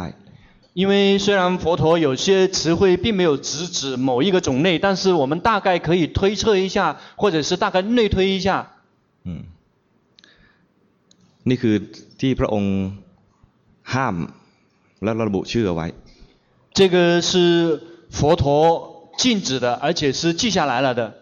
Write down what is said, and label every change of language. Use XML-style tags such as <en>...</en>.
<zh>因为虽然佛陀有些词汇并没有直指某一个种类但是我们大概可以推测一下或者是大概内推一下</zh> <th>นี่คือที่พระองค์ห้ามแล้วระบุชื่อเอาไว้</th> <zh>这个是佛陀禁止的而且是记下来了的</zh>